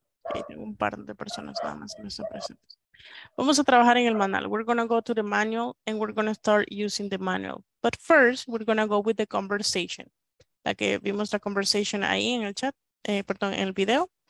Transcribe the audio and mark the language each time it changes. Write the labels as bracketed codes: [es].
[es] Okay, tengo un par de personas nada más que no están presentes. Vamos a trabajar en el manual. [en] We're going to go to the manual and we're going to start using the manual. But first, we're going to go with the conversation. [es] La que vimos la conversation ahí en el chat, en el video.